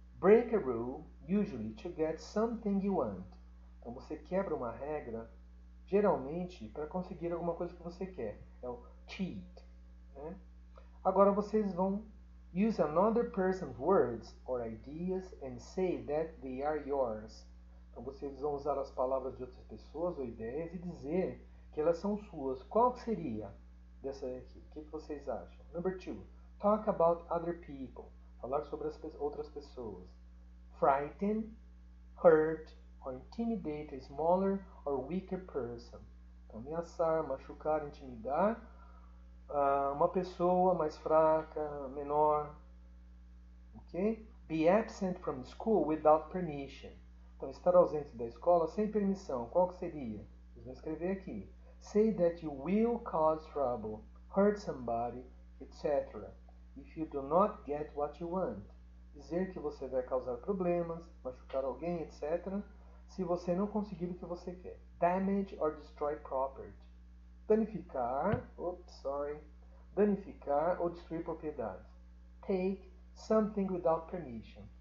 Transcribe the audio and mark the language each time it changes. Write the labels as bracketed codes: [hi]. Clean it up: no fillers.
[en] Break a rule, usually to get something you want. [pt] Então você quebra uma regra, geralmente para conseguir alguma coisa que você quer. É o cheat, né? Agora vocês vão [en] use another person's words or ideas and say that they are yours. [pt] Então vocês vão usar as palavras de outras pessoas ou ideias e dizer que elas são suas. Qual que seria dessa aqui? O que vocês acham? [en] Number two, talk about other people. [pt] Falar sobre as outras pessoas. [en] Frighten, hurt or intimidate a smaller or weaker person. [pt] Então, ameaçar, machucar, intimidar uma pessoa mais fraca, menor. [en] Ok? Be absent from school without permission. [pt] Então, estar ausente da escola sem permissão. Qual que seria? Vocês vão escrever aqui. [en] Say that you will cause trouble, hurt somebody, etc. If you do not get what you want. [pt] Dizer que você vai causar problemas, machucar alguém, etc. Se você não conseguir o que você quer. [en] Damage or destroy property. Danificar, oops, sorry. [pt] Danificar ou destruir propriedades. [en] Take something without permission.